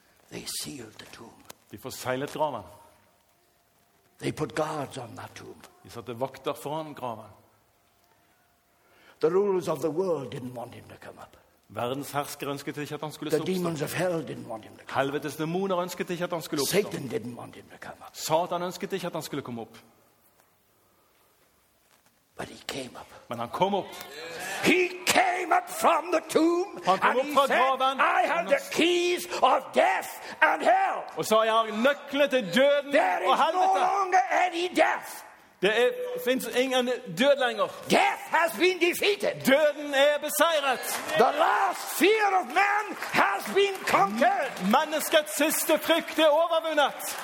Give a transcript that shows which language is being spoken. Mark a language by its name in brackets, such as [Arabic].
[English] They sealed the tomb. [Norwegian] De forseglet graven. [English] They put guards on that tomb. [Norwegian] De satte vakter foran graven. [English] The rulers of the world didn't want him to come up. [Norwegian] Verdens herskere ønsket ikke at han skulle oppstå. [English] The demons of hell didn't want him to come up. [Norwegian] Helvetes demoner ønsket ikke at han skulle oppstå. [English] Satan didn't want him to come up. [Norwegian] Satan ønsket ikke at han skulle komme opp. [English] But he came up. [Norwegian] Men han kom opp. [English] He came up from the tomb and he said, I have the keys of death and hell. [Swedish] Och så jag har nycklarna till döden och helvetet. [English] There is no longer any death. [Swedish] Det finns ingen död längre. [English] Death has been defeated. [Swedish] Döden är besegrat. [English] The last fear of man has been conquered. [Swedish] Människans sista frukt är övervunnet.